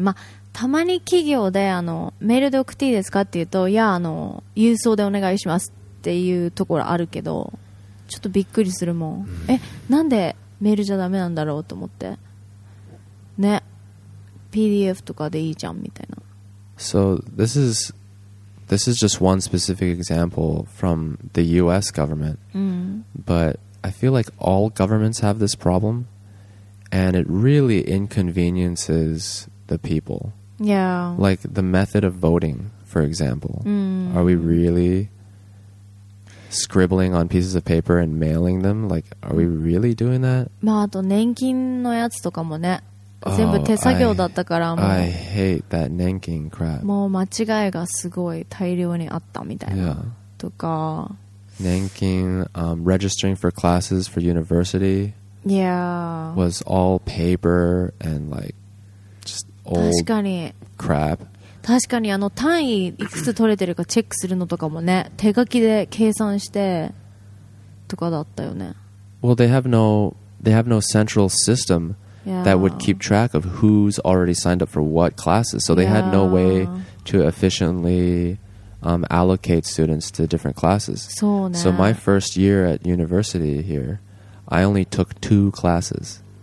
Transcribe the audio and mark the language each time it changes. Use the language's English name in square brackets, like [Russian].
[Japanese] まあ、たまに企業で、あの、メールで送っていいですかって言うと、いや、あの、郵送でお願いしますっていうところあるけど、ちょっとびっくりするもん。え、なんでメールじゃダメなんだろうと思って。ね。 PDF とかでいいじゃんみたいな。 [English] So, this is just one specific example from the US government. Mm. But I feel like all governments have this problem, and it really inconveniences the people. Yeah. Like the method of voting, for example. Mm. Are we really scribbling on pieces of paper and mailing them? Like, are we really doing that? [Japanese] まあ、あと年金のやつとかもね。全部手作業だったからもう、 [English] I hate that 年金 crap. [Japanese] もう間違いがすごい大量にあったみたいな、 [English] yeah. [Japanese] とか [English] 年金、registering for classes for university yeah was all paper and like just old [Japanese] 確かに [English] crap [Japanese] 確かにあの単位いくつ取れてるかチェックするのとかもね手書きで計算してとかだったよね。 [English] Well, they have no central system Yeah. That would keep track of who's already signed up for what classes. So they yeah. had no way to efficiently allocate students to different classes. [Japanese] そうね。 [English] So my first year at university here, I only took two classes.